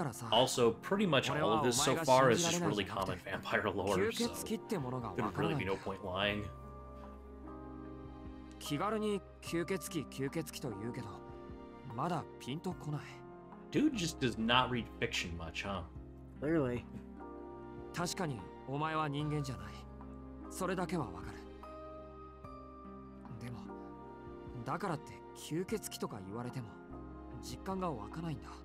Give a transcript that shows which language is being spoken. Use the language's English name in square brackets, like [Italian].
[English] Also, pretty much all of this so far is just really common vampire lore, so there would really be no point lying. [Japanese] 気軽に吸血鬼と言うけど、まだピンとこない。 [English] Dude just does not read fiction much, huh? Clearly. [Japanese] 確かにお前は人間じゃない。それだけはわかる。でも、だからって吸血鬼とか言われても実感が湧かないんだ。